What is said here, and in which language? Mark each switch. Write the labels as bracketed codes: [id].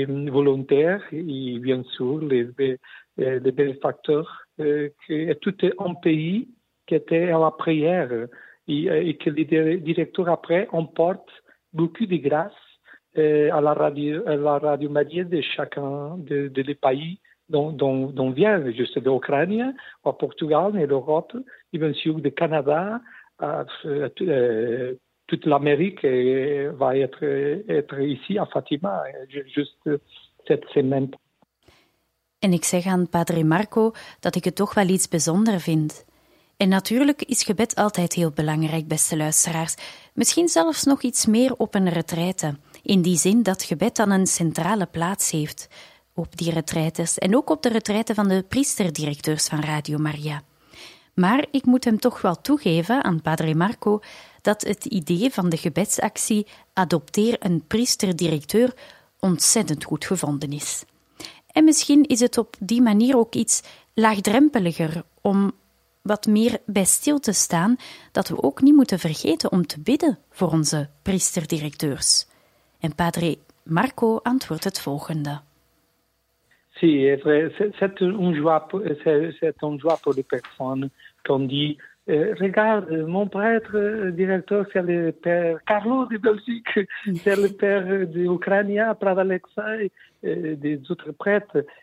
[fr] volontaires et bien sûr les bénéfacteurs, que tout est un pays qui était à la prière et que les directeurs après emportent beaucoup de grâce à la radio Maria de chacun de les pays. Dont viennent, je sais, de l'Ukraine, au Portugal, et l'Europe, et bien sûr, du Canada, toute l'Amérique va être ici, à Fatima, juste cette semaine. [nl] En ik zeg aan Padre Marco dat ik het toch wel iets bijzonders vind. En natuurlijk is gebed altijd heel belangrijk, beste luisteraars. Misschien zelfs nog iets meer op een retraite, in die zin dat gebed dan een centrale plaats heeft... op die retraites en ook op de retraite van de priesterdirecteurs van Radio Maria. Maar ik moet hem toch wel toegeven aan Padre Marco dat het idee van de gebedsactie Adopteer een priesterdirecteur ontzettend goed gevonden is. En misschien is het op die manier ook iets laagdrempeliger om wat meer bij stil te staan dat we ook niet moeten vergeten om te bidden voor onze priesterdirecteurs. En Padre Marco antwoordt het volgende. [it] Sì, è vrai. [fr] C'est un joie pour les personnes qui ont dit regarde, mon prêtre directeur, c'est le père Carlo de Belgique, c'est le père de l'Ukraine, Prad Alexei, des autres prêtres.